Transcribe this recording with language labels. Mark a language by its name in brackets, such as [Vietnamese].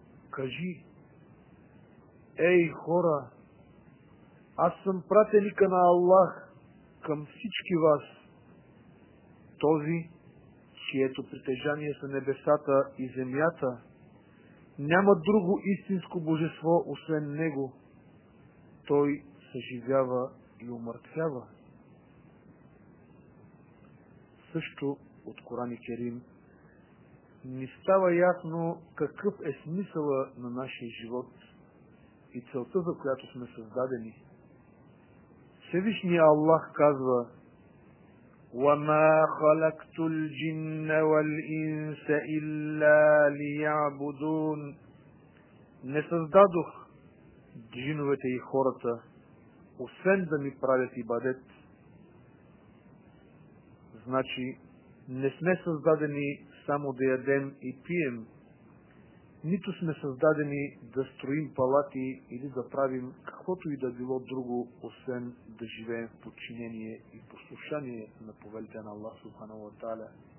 [Bulgarian] Кажи: Ей хора, аз съм пратеника на Аллах към всички вас, този, чието притежание са небесата и земята, няма друго истинско божество освен него, той съживява и умъртвява. Също от Корани Керим ни става ясно какъв е смисъла на нашия живот и целта, за която сме създадени. Всевишният Аллах казва: [Arabic] وَمَا خَلَقْتُ الْجِنَّ وَالْإِنْسَ إِلَّا لِيَعْبُدُونَ. [Bulgarian] Не създадох джиновете и хората, освен да ми правят ибадет. Значи, не сме създадени само да ядем и пием, нито сме създадени да строим палати или да правим каквото и да било друго, освен да живеем в подчинение и послушание на повелите на Аллах субханаху ва тааля.